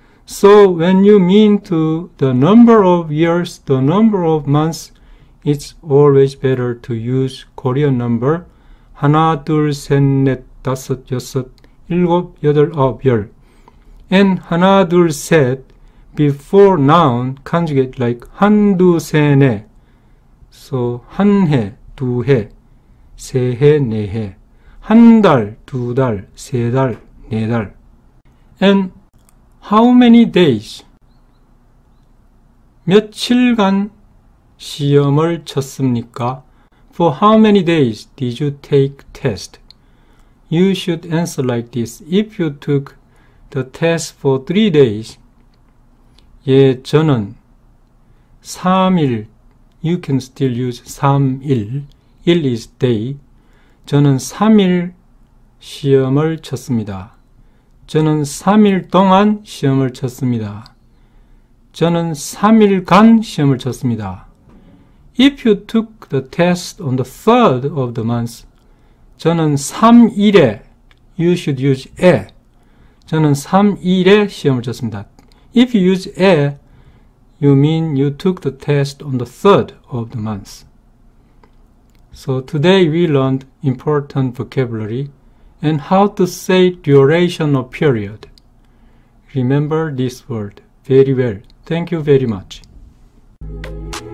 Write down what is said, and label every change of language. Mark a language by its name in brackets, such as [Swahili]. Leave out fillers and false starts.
[English] So, when you mean to the number of years, the number of months, it's always better to use Korean number. [Korean] 하나, 둘, 셋, 넷, 다섯, 여섯, 일곱, 여덟, 아홉, 열. [English] And [Korean] 하나, 둘, 셋, [English] before noun, conjugate like [Korean] 한, 두, 세, 네. So, 한 해, 두 해, 세 해, 네 해. 한 달, 두 달, 세 달, 네 달. [English] And how many days? [Korean] 며칠간 시험을 쳤습니까? [English] For how many days did you take test? You should answer like this. If you took the test for 3 days, [Korean] 예, 저는 3일, [English] you can still use 3일, 일 is day. [Korean] 저는 3일 시험을 쳤습니다. 저는 3일 동안 시험을 쳤습니다. 저는 3일간 시험을 쳤습니다. [English] If you took the test on the third of the month, [Korean] 저는 3일에, [English] you should use a. [Korean] 저는 3일에 시험을 쳤습니다. [English] If you use a, you mean you took the test on the third of the month. So today we learned important vocabulary and how to say duration of period. Remember this word very well. Thank you very much.